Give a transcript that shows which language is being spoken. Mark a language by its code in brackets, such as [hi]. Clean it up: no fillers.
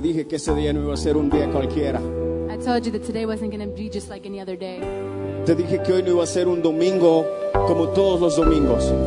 [es] Ese día no iba a ser un día cualquiera. [en] I told you that today wasn't going to be just like any other day. [es] Te dije que hoy no iba a ser un domingo como todos los domingos.